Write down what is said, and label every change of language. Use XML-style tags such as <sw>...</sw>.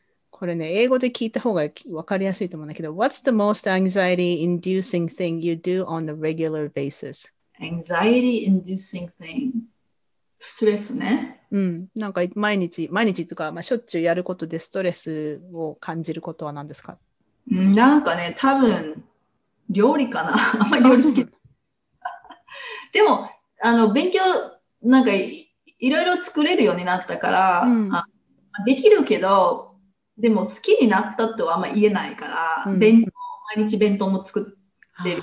<ja>これね、英語で聞いた方が分かりやすいと思うんだけど、</ja> <en>What's the most anxiety inducing thing you do on a regular basis? Anxiety inducing thing.</en> <ja>ストレスね。なんか毎日とか、しょっちゅうやることでストレスを感じることは何ですか？なんかね、多分、料理かな。あんまりあ、料理好そうき。なの。でも、勉強、なんかいろいろ作れるようになったから、できるけど、でも好きになったとはあんま言えないから、毎日弁当も作ってる</ja>